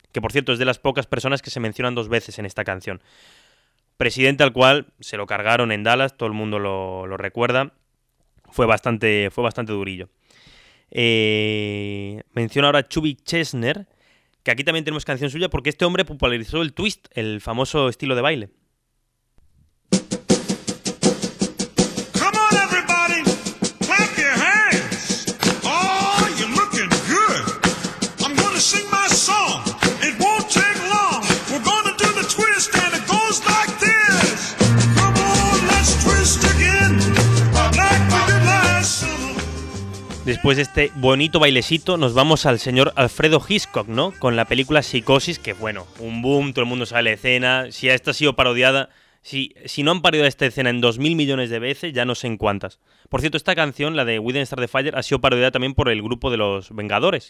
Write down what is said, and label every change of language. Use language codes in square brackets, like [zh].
[es] Que, por cierto, es de las pocas personas que se mencionan dos veces en esta canción. Presidente al cual se lo cargaron en Dallas, todo el mundo lo recuerda. Fue bastante durillo. Menciono ahora a Chubby Chesner. Que aquí también tenemos canción suya porque este hombre popularizó el twist, el famoso estilo de baile. [en] Come on, everybody, clap your hands. Oh, you're looking good. I'm gonna sing my song. It won't take long. We're gonna do the twist and it goes like this. Come on, let's twist again. Like we did last summer. [es] Después de este bonito bailecito, nos vamos al señor Alfredo Hitchcock, ¿no? Con la película Psicosis, que bueno, un boom, todo el mundo sabe la escena. Si esta ha sido parodiada, si no han parodiado esta escena en 2.000 millones de veces, ya no sé en cuántas. Por cierto, esta canción, la de We Didn't Start the Fire, ha sido parodiada también por el grupo de los Vengadores.